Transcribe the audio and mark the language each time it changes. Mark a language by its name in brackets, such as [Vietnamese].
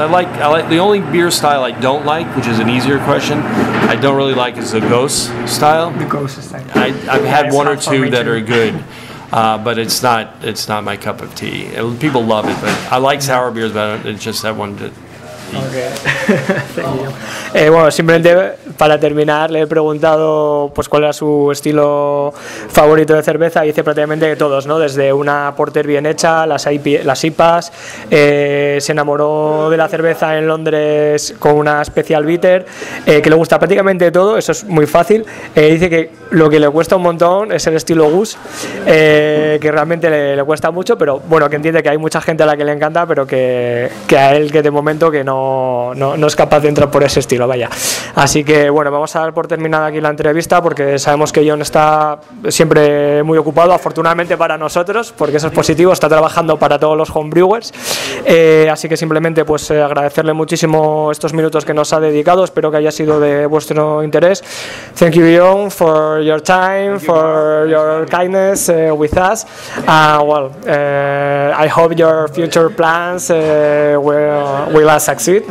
[English] I like the only beer style I don't like, which is an easier question, I don't really like is the ghost style. The ghost style. I've had one or two that are good, but it's not my cup of tea. People love it, but I like sour beers, but it's just that one. Okay. [Spanish] Bueno, simplemente para terminar le he preguntado pues cuál era su estilo favorito de cerveza y dice prácticamente que todos, ¿no? Desde una porter bien hecha, las IPAs, se enamoró de la cerveza en Londres con una especial bitter, que le gusta prácticamente todo, eso es muy fácil. Dice que lo que le cuesta un montón es el estilo Gus, que realmente le cuesta mucho, pero bueno, que entiende que hay mucha gente a la que le encanta, pero que a él que de momento que no es capaz de entrar por ese estilo, vaya. Así que bueno, vamos a dar por terminada aquí la entrevista porque sabemos que John está siempre muy ocupado, afortunadamente para nosotros, porque eso es positivo, está trabajando para todos los homebrewers. Así que simplemente pues agradecerle muchísimo estos minutos que nos ha dedicado, espero que haya sido de vuestro interés. [English] Thank you, John, for your time, for your kindness with us. Well, I hope your future plans will succeed.